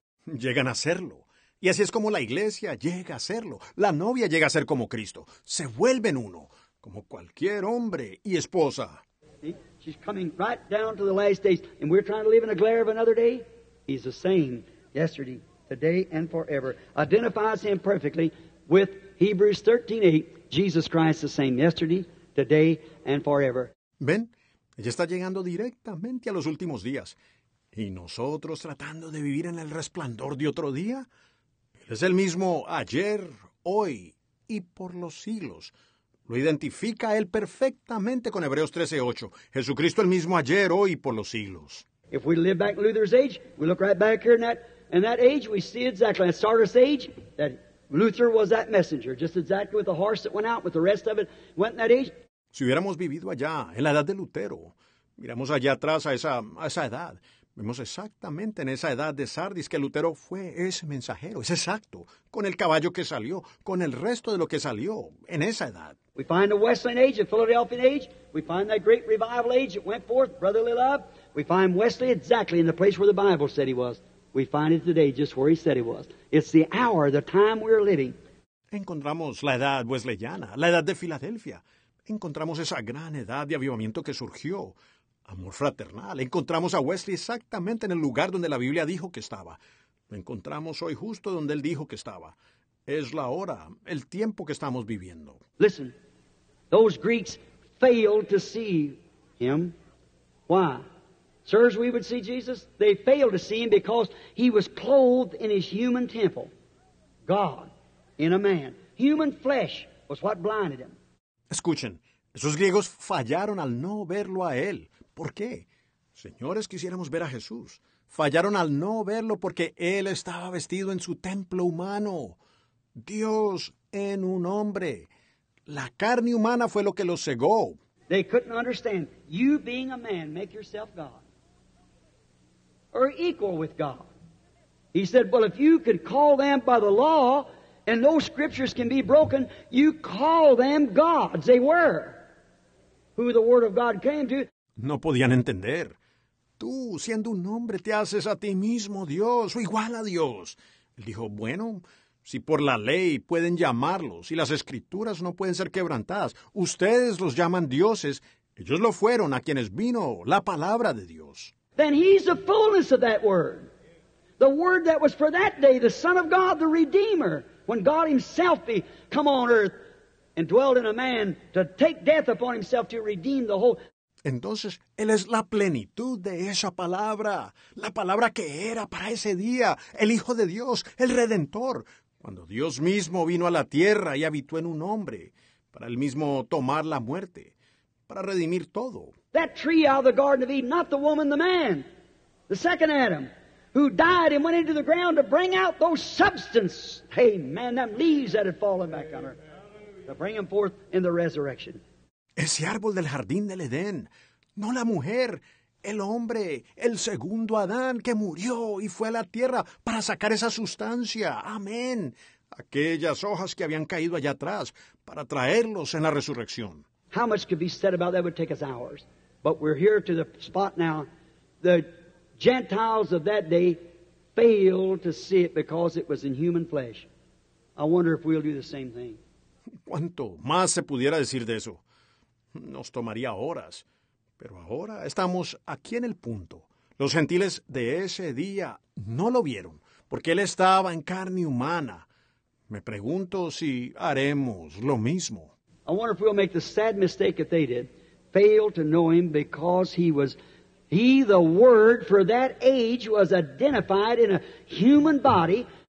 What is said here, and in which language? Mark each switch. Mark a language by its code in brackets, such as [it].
[es] Llegan a serlo. Y así es como la iglesia llega a serlo. La novia llega a ser como Cristo. Se vuelven uno, como cualquier hombre y esposa. [en] See? She's coming right down to the last days. And we're trying to live in a glare of another day. He's the same yesterday, today, and forever. Identifies him perfectly with Hebrews 13:8. Jesus Christ the same yesterday, today, and forever. [es] Ven. Ella está llegando directamente a los últimos días. ¿Y nosotros tratando de vivir en el resplandor de otro día? Él es el mismo ayer, hoy y por los siglos. Lo identifica él perfectamente con Hebreos 13:8. Jesucristo el mismo ayer, hoy y por los siglos. [en] If we live back in Luther's age, we look right back here in that age, we see exactly at Sardis age that Luther was that messenger, just exactly with the horse that went out with the rest of it, went in that age. [es] Si hubiéramos vivido allá, en la edad de Lutero, miramos allá atrás a esa edad, vemos exactamente en esa edad de Sardis que Lutero fue ese mensajero, es exacto, con el caballo que salió, con el resto de lo que salió en esa edad. [en] We find the Wesleyan age, the Philadelphian age, we find that great revival age that went forth, brotherly love, we find Wesley exactly in the place where the Bible said he was, we find it today just where he said he was. It's the hour, the time we're living. [es] Encontramos la edad wesleyana, la edad de Filadelfia. Encontramos esa gran edad de avivamiento que surgió. Amor fraternal. Encontramos a Wesley exactamente en el lugar donde la Biblia dijo que estaba. Lo encontramos hoy justo donde él dijo que estaba. Es la hora, el tiempo que estamos viviendo. [en] Listen, those Greeks failed to see him. Why? Sirs, we would see Jesus. They failed to see him because he was clothed in his human temple. God in a man. Human flesh was what blinded him. [es] Escuchen, esos griegos fallaron al no verlo a él. ¿Por qué? Señores, quisiéramos ver a Jesús. fallaron al no verlo porque él estaba vestido en su templo humano. Dios en un hombre. La carne humana fue lo que lo cegó. [en] They couldn't understand. You being a man, make yourself God. Or equal with God. He said, well, if you could call them by the law and no scriptures can be broken, you call them gods. They were who the word of God came to. [es] No podían entender. Tú, siendo un hombre, te haces a ti mismo Dios o igual a Dios. Él dijo, bueno, si por la ley pueden llamarlos y las escrituras no pueden ser quebrantadas, ustedes los llaman dioses. Ellos lo fueron a quienes vino la palabra de Dios. [en] Then he's the fullness of that word. The word that was for that day, the Son of God, the Redeemer, when God himself come on earth and dwelt in a man to take death upon himself to redeem the whole. [es] Entonces, él es la plenitud de esa palabra, la palabra que era para ese día, el Hijo de Dios, el Redentor, cuando Dios mismo vino a la tierra y habitó en un hombre, para él mismo tomar la muerte, para redimir todo. [en] That tree out of the Garden of Eden, not the woman, the man, the second Adam, who died and went into the ground to bring out those substance, hey man, them leaves that had fallen back on her, to bring them forth in the resurrection. [es] Ese árbol del jardín del Edén, no la mujer, el hombre, el segundo Adán que murió y fue a la tierra para sacar esa sustancia. Amén. Aquellas hojas que habían caído allá atrás para traerlos en la resurrección. [en] How much could be said about that would take us hours. But we're here to the spot now. The Gentiles of that day failed to see it because it was in human flesh. I wonder if we'll do the same thing. [es] ¿Cuánto más se pudiera decir de eso? Nos tomaría horas, pero ahora estamos aquí en el punto. Los gentiles de ese día no lo vieron, porque él estaba en carne humana. Me pregunto si haremos lo mismo. [en] I wonder if we'll make the sad mistake that they did, fail to know him because he the word for that age was identified in a human body.